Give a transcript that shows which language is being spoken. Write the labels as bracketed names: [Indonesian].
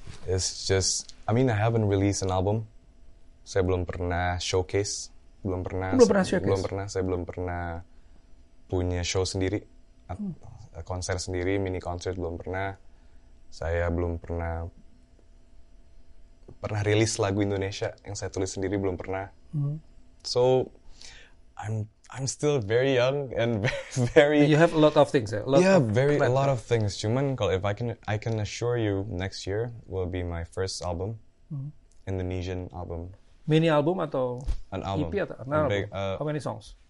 [English] It's just, I mean, I haven't released an album. [Indonesian] Saya belum pernah showcase, saya belum pernah punya show sendiri. Konser sendiri, mini concert belum pernah. Saya belum pernah rilis lagu Indonesia yang saya tulis sendiri belum pernah. [English] So I'm still very young and very. You have a lot of things. A lot of things. [Indonesian] Cuman, [English] if I can assure you, next year will be my first album, Indonesian album. [Indonesian] Mini album atau [English] an album? [Indonesian] EP atau [English] an album? How many songs?